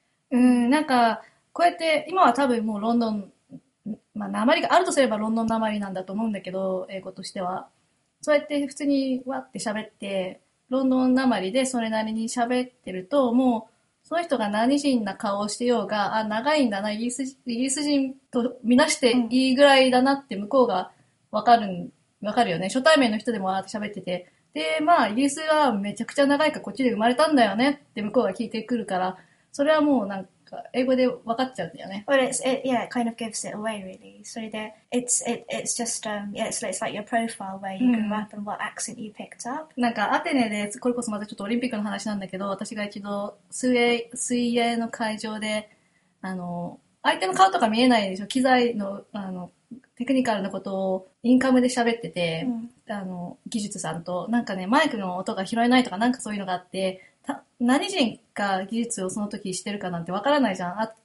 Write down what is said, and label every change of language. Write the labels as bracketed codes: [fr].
[ja] うん、なんかこうやって今は多分もうロンドン、まあ、訛りがあるとすればロンドン訛りなんだと思うんだけど英語としてはそうやって普通にわって喋ってロンドンなまりでそれなりに喋ってるともうその人が何人な顔をしてようがあ長いんだなイギリス人とみなしていいぐらいだなって向こうがわかるよね。初対面の人でもあって喋っててでまあイギリスはめちゃくちゃ長いからこっちで生まれたんだよねって向こうが聞いてくるからそれはもうなんか英語で分かっちゃうんだよね。 [en] Well, it's, it, yeah, it kind of gives it away, really. それで、it's, it, it's just, yeah, it's like your profile where you grew up and what accent you picked up. [ja] なんかアテネで、これこそまたちょっとオリンピックの話なんだけど、私が一度水泳の会場で、相手の顔とか見えないでしょ。機材の、テクニカルなことをインカムで喋ってて、技術さんと、なんかね、マイクの音が拾えないとかなんかそういうのがあって、何人か技術をその時してるかなんてわからないじゃん。